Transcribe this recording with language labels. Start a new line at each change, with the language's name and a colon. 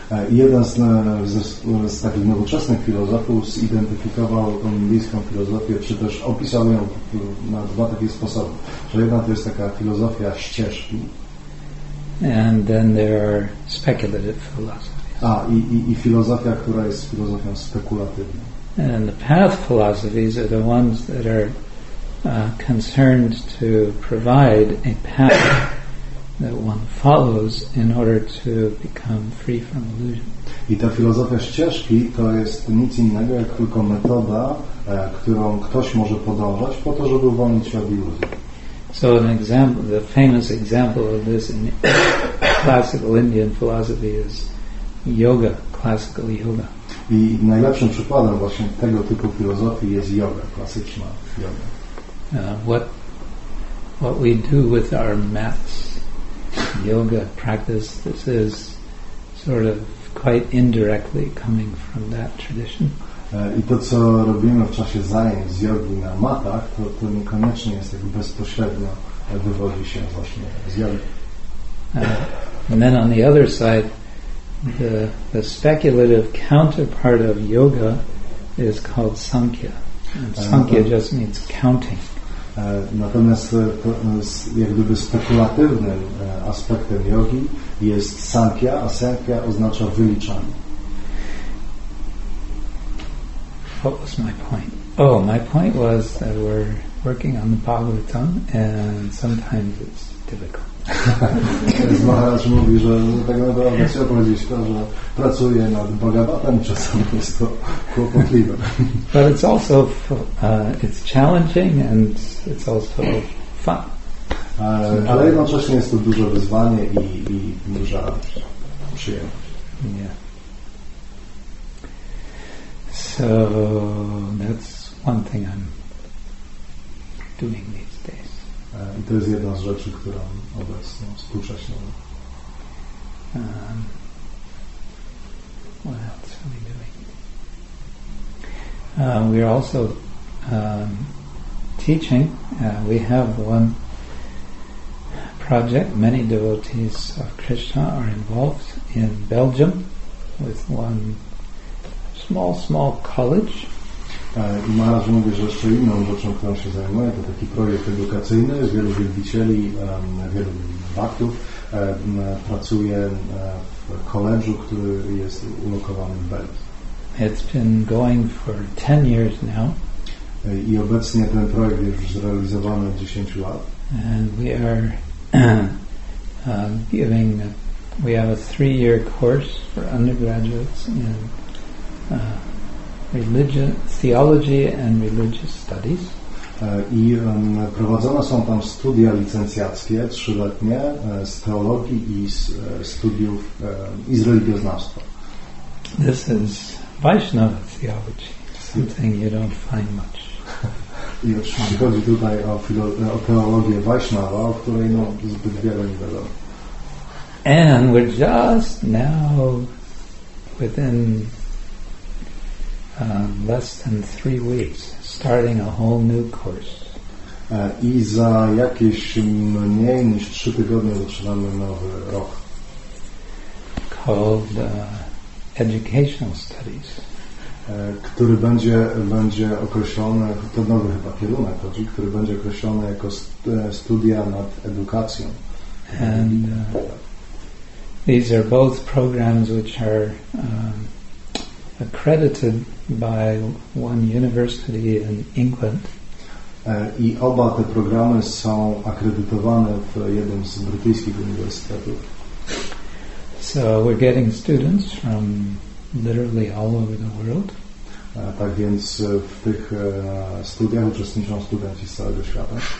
Polish: Jeden z takich nowoczesnych filozofów zidentyfikował tą indyjską filozofię, czy też opisał ją na dwa takie sposoby. Że jedna to jest taka filozofia ścieżki.
English: And then there are speculative philosophies.
Polish: I filozofia, która jest filozofią spekulatywną.
English: And the path philosophies are the ones that are concerned to provide a path that one follows in order to become free from illusion.
Polish: I ta filozofia ścieżki to jest nic innego jak tylko metoda, którą ktoś może podążać po to, żeby uwolnić się od iluzji.
English: So an example, the famous example of this in classical Indian philosophy is yoga, classical yoga.
Polish: I najlepszym przykładem właśnie tego typu filozofii jest yoga, klasyczna yoga.
English: What we do with our mats, yoga practice, this is sort of quite indirectly coming from that tradition.
Polish: I to, co robimy w czasie zajęć z jogi na matach, to niekoniecznie jest jakby bezpośrednio wywodzi się właśnie z jogi.
English: And then on the other side, the speculative counterpart of yoga is called Sankhya. And Sankhya just means counting.
Polish: Natomiast to, jak gdyby spekulatywnym aspektem jogi jest Sankhya, a Sankhya oznacza wyliczanie.
English: What was my point? Oh, my point was that we're working on the Bhagavatam and sometimes it's difficult.
Polish: Maharaj mówi, że tak naprawdę chciał powiedzieć to, że pracuje nad Bhagavatam, czasami jest to kłopotliwe.
English: But it's also it's challenging and it's also fun.
Polish: Ale jednocześnie jest to duże wyzwanie i duża przyjemność.
English: Yeah. So that's one thing I'm doing these days.
Polish: I to jest jedna z rzeczy, którą obecnie współcześnie.
English: What else are we doing? We are also teaching. We have one project. Many devotees of Krishna are involved in Belgium with one small college.
Polish: I Maharaj mówi, że jeszcze inną rzeczą, którą się zajmuje, to taki projekt edukacyjny z wielu wielbicieli, wielu baktów, pracuje w koledżu, który jest ulokowany w Belgii.
English: It's been going for 10 years now.
Polish: I obecnie ten projekt jest już zrealizowany od 10 lat.
English: And we are giving, we have a 3-year course for undergraduates in religion, theology and religious studies.
Polish: I prowadzone są tam studia licencjackie, 3-letnie, z teologii i z studiów i z religioznawstwa.
English: This is Vaishnava theology, something you don't find much.
Polish: I oczywiście chodzi tutaj o teologię Vaishnava, o której no zbyt wiele nie wiadomo.
English: And we're just now within less than 3 weeks starting a whole new course.
Polish: I za jakieś mniej niż 3 tygodnie zaczynamy nowy rok.
English: Called educational studies.
Polish: Który będzie określony, to nowy chyba kierunek chodzi, który będzie określony jako studia nad edukacją.
English: And these are both programs which are accredited by one university in England.
Polish: I oba te programy są akredytowane w jednym z brytyjskich uniwersytetów.
English: So we're getting students from literally all over the world.
Polish: Tak więc w tych studiach uczestniczą studenci z całego świata.